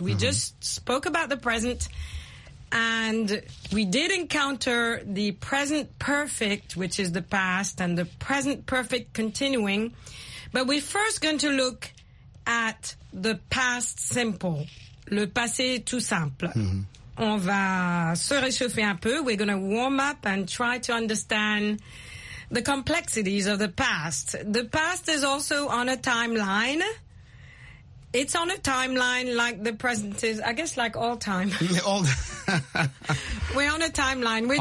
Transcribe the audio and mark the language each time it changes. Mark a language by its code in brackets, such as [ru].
[en] We just spoke about the present. And we did encounter the present perfect, which is the past, and the present perfect continuing. But we're first going to look at the past simple, [fr] le passé tout simple. Mm-hmm. On va se réchauffer un peu. [en] We're going to warm up and try to understand the complexities of the past. The past is also on a timeline. It's on a timeline like the present is, I guess, like all time. We're on a timeline. We're